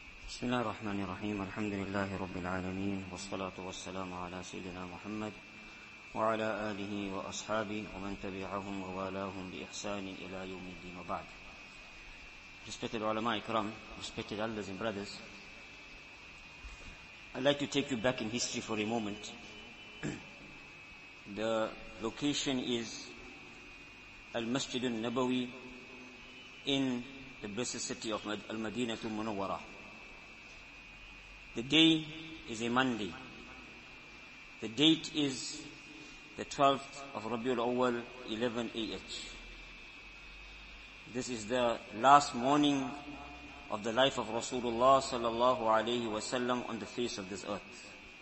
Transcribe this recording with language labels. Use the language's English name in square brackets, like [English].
[Arabic] بسم الله الرحمن الرحيم الحمد لله رب العالمين والصلاة والسلام على سيدنا محمد وعلى آله وأصحابه ومن تبعهم ووالاهم بإحسان إلى يوم الدين وبعد. [English] Respected [Arabic] علماء الكرام, [English] respected elders and brothers, I'd like to take you back in history for a moment. The location is المسجد النبوي in the blessed city of المدينة المنورة. The day is a Monday. The date is the 12th of Rabiul Awal, 11 AH. This is the last morning of the life of Rasulullah sallallahu alayhi wa sallam on the face of this earth.